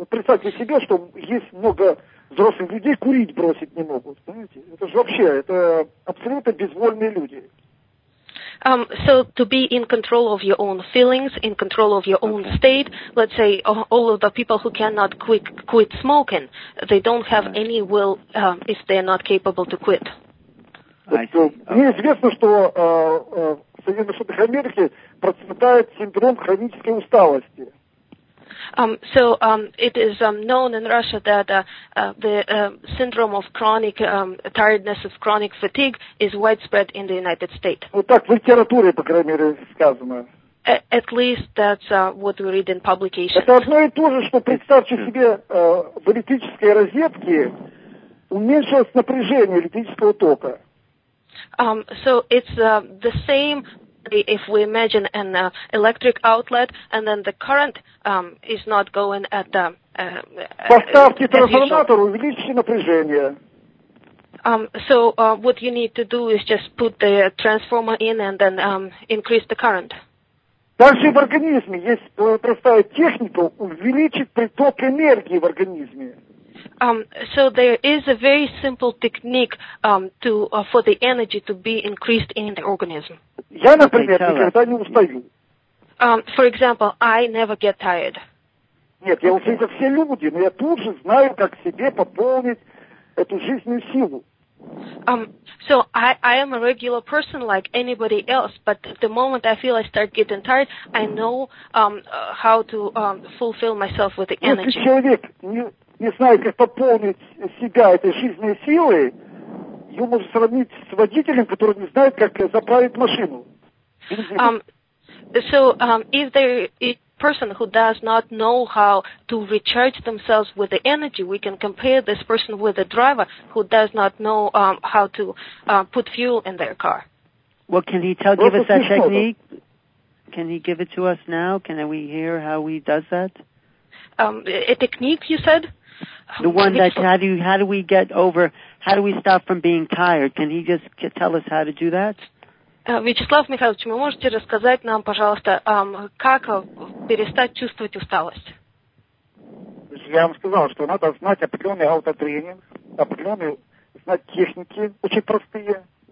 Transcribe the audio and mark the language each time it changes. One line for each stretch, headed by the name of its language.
Russian: Представьте себе, что есть много взрослых людей, курить бросить не могут. Понимаете? Это же вообще, это абсолютно безвольные люди.
English: So to be in control of your own feelings, in control of your own state, let's say all of the people who cannot quit smoking, they don't have any will if they're not capable to quit.
Russian: Мне известно, что в Соединенных Штатах Америки процветает синдром хронической усталости.
English: It is known in Russia that the syndrome of chronic tiredness, of chronic fatigue, is widespread in the United States.
Russian: Ну так в литературе, по крайней мере, сказано.
English: At least that's what we read in publications.
Russian: Это одно и то же, что представьте себе в электрической розетке уменьшилось напряжение электрического тока.
English: It's the same. If we imagine an electric outlet, and then the current is not going at the
Russian: поставьте трансформатор, увеличьте напряжение.
English: What you need to do is just put the transformer in and then increase the current.
Russian: Также в организме есть простая техника увеличить приток энергии в организме.
English: There is a very simple technique for the energy to be increased in the organism.
Russian: Я, например, никогда не устаю.
English: For example, I never get tired.
Russian: Нет, я устаю, как все люди, но я тут же знаю, как себе пополнить эту жизненную силу.
English: I am a regular person like anybody else, but the moment I feel I start getting tired, I know how to fulfill myself with the energy.
Russian: Если человек не знает, как пополнить себя этой жизненной силой, его можно сравнить с водителем, который не знает, как заправить машину.
English: If there is a person who does not know how to recharge themselves with the energy, we can compare this person with a driver who does not know how to put fuel in their car. Well, can he tell, give us that technique? Can he give it to us now? Can we hear how he does that? A technique, you said? The one that, how do we get over, how do we stop from being tired? Can he just tell us how to do that?
Russian: Вячеслав Михайлович, вы можете рассказать нам, пожалуйста, как перестать чувствовать усталость? Я вам сказал, что надо знать определенный аутотренинг, определенные знать техники, очень простые.